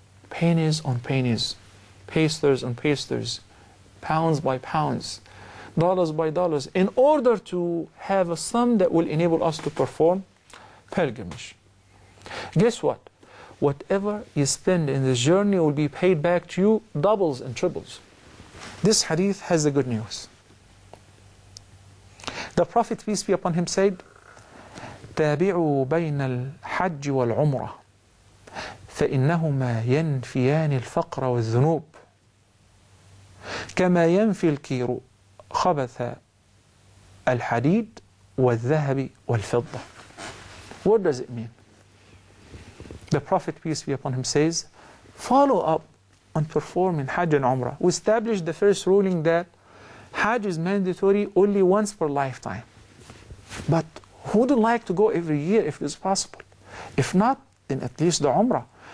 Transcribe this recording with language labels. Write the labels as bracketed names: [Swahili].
[English] Pennies on pennies, pesters on pesters, pounds by pounds, dollars by dollars, in order to have a sum that will enable us to perform pilgrimage. Guess what? Whatever you spend in this journey will be paid back to you doubles and triples. This hadith has the good news. The Prophet, peace be upon him, said, [Arabic] تابعوا بين الحج والعمرة فإنهما ينفيان الفقر والذنوب كما ينفي الكير خبث الحديد والذهب والفضة. [English] What does it mean? The Prophet, peace be upon him, says, follow up on performing Hajj and Umrah. We established the first ruling that Hajj is mandatory only once per lifetime. But who would like to go every year if it's possible? If not, then at least the Umrah.